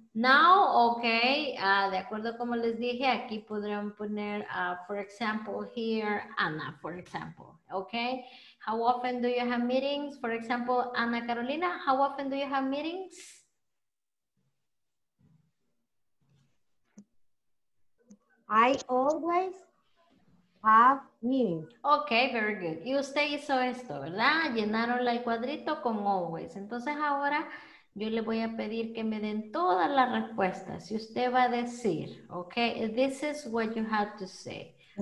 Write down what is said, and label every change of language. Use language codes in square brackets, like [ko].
[es] Now, okay, de acuerdo como les dije, aquí podrían poner, [en] for example, here, Ana, for example, okay? How often do you have meetings? For example, Ana Carolina, how often do you have meetings? I always have meetings. Okay, very good. [es] Y usted hizo esto, ¿verdad? Llenaron el cuadrito con always. Entonces ahora yo le voy a pedir que me den todas las respuestas. Y usted va a decir, [en] okay, this is what you have to say.